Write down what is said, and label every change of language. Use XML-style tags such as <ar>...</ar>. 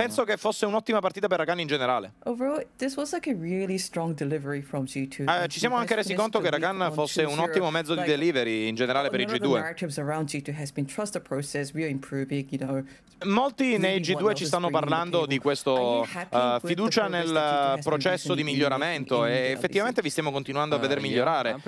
<it>Penso che fosse un'ottima partita per Rakan in generale.</it> <en>Overall, this was like a really strong delivery from G2.</en> <it>Ci siamo anche resi conto che Rakan fosse un ottimo mezzo di delivery in generale per i G2. Molti nei G2 ci stanno parlando di questo fiducia nel processo di miglioramento e effettivamente vi stiamo continuando a vedere migliorare.</it>